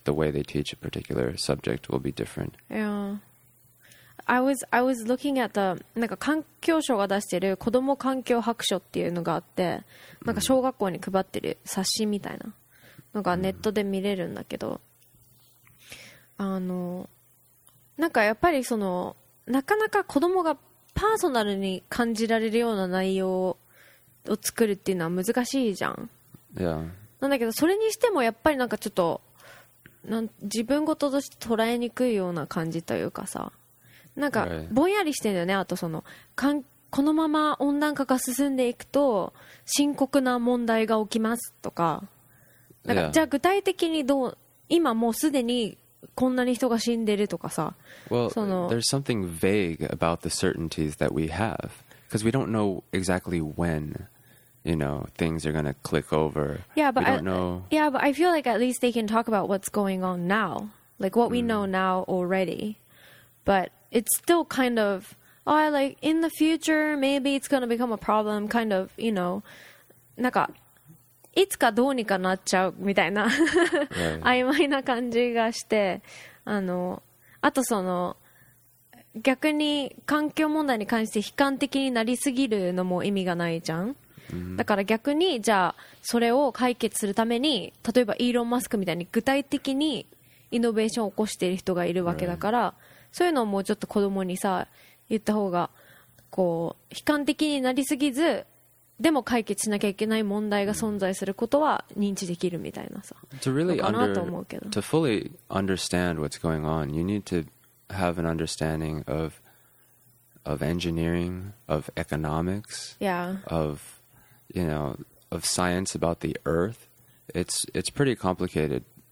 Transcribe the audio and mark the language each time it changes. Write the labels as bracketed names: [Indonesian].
[English] The way they teach a particular subject will be different. Yeah. I was looking at the, [Japanese] なんか環境省が出してる子ども環境白書っていうのがあって、なんか小学校に配ってる冊子みたいなのがネットで見れるんだけど、あの、なんかやっぱりその、なかなか子どもがパーソナルに感じられるような内容を作るっていうのは難しいじゃん。 [English] Yeah. [Japanese] なんだけどそれにしてもやっぱりなんかちょっとなん自分事として捉えにくいような感じというかさ、なんかぼんやりしてるんだよね。あとそのこのまま温暖化が進んでいくと深刻な問題が起きますとか、なんかじゃあ具体的にどう、今もうすでにこんなに人が死んでるとかさ、 [English] well, その There's something vague about the certainties that we have because we don't know exactly whenYou know, things are going to click over. Yeah, but we don't know. Yeah, but I feel like at least they can talk about what's going on now, like what、mm. we know now already. But it's still kind of, oh, like in the future, maybe it's going to become a problem, kind of, you know, [Japanese] なんかいつかどうにかなっちゃうみたいな曖昧な感じがして、あの、あとその逆に環境問題に関して悲観的になりすぎるのも意味がないじゃん。だから逆にじゃあそれを解決するために例えばイーロン・マスクみたいに具体的にイノベーションを起こしている人がいるわけだから、そういうのをもうちょっと子供にさ言った方がこう悲観的になりすぎず、でも解決しなきゃいけない問題が存在することは認知できるみたいなさ、 [English] to really to fully understand what's going on, you need to have an understanding of engineering, of economics, yeah, ofYou know, of science about the earth, it's pretty complicated.